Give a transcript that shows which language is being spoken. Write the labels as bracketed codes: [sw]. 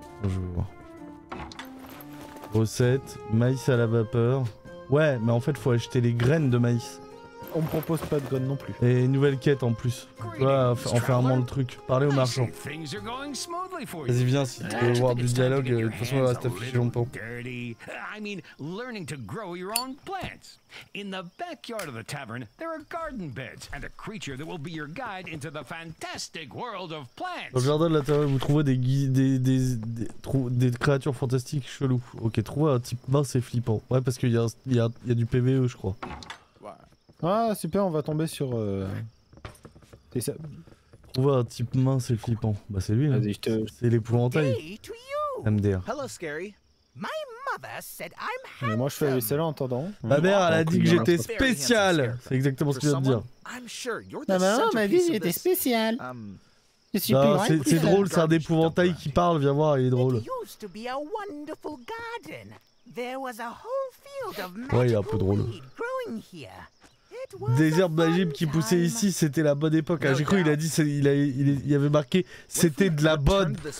[fr] Je vais voir. Recette, maïs à la vapeur. Ouais, mais en fait, faut acheter les graines de maïs. On me propose pas de graines non plus. Et une nouvelle quête en plus. Voilà, en fermant le truc. Parlez au marchand. Vas-y, viens, si tu veux voir du dialogue, de toute façon, il va rester affiché longtemps. [en] I mean, learning to grow your own plants. In the backyard of the tavern, there are garden beds and a creature that will be your guide into the fantastic world of plants. [fr] Au jardin de la taverne, vous trouvez des créatures fantastiques cheloues. Ok, trouver un type mince, c'est flippant. Ouais, parce qu'il y a du PVE, je crois. Ah, super, on va tomber sur... C'est ça. Trouver un type mince, c'est flippant. Bah, c'est lui, là. Vas-y, je te... C'est l'épouvantail. MDR. [en] Hello, scary. My mother said I'm handsome. [fr] Mais moi, je fais la vaisselle en attendant. Ma mère, elle a dit que j'étais spécial. C'est exactement ce que je viens de dire. Ma mère, ma vie, j'étais spécial. Non, c'est drôle, c'est un épouvantail qui parle. Viens voir, il est drôle. [en] It used to be a wonderful garden. There was a whole field of magical weed growing here. [fr] Ouais, il est un peu drôle. Des herbes magiques qui poussaient ici, c'était la bonne époque. Ah, j'ai cru, il avait marqué, c'était de la bonne.